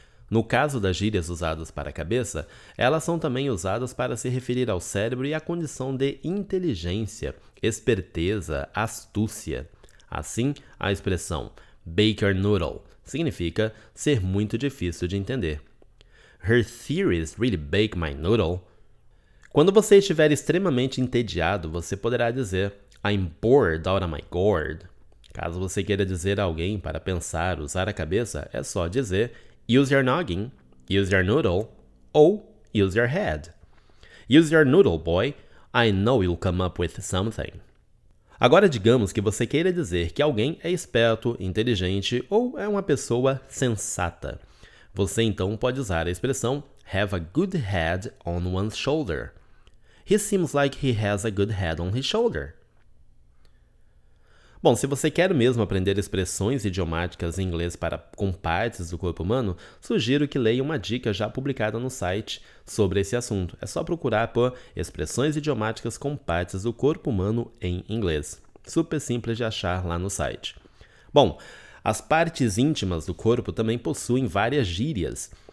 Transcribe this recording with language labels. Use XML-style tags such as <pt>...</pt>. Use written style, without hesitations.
<pt>No caso das gírias usadas para a cabeça, elas são também usadas para se referir ao cérebro e à condição de inteligência, esperteza, astúcia. Assim, a expressão</pt> <en>baker noodle</en> <pt>significa ser muito difícil de entender.</pt> <en>Her theories really bake my noodle.</en> <pt>Quando você estiver extremamente entediado, você poderá dizer</pt> <en>I'm bored out of my gourd.</en> <pt>Caso você queira dizer a alguém para pensar, usar a cabeça, é só dizer</pt> <en>use your noggin, use your noodle,</en> <pt>ou</pt> <en>use your head. Use your noodle, boy. I know you'll come up with something.</en> <pt>Agora digamos que você queira dizer que alguém é esperto, inteligente ou é uma pessoa sensata. Você então pode usar a expressão</pt> <en>have a good head on one's shoulder. He seems like he has a good head on his shoulder.</en> <pt>Bom, se você quer mesmo aprender expressões idiomáticas em inglês para com partes do corpo humano, sugiro que leia uma dica já publicada no site sobre esse assunto. É só procurar por expressões idiomáticas com partes do corpo humano em inglês. Super simples de achar lá no site. Bom, as partes íntimas do corpo também possuem várias gírias.</pt>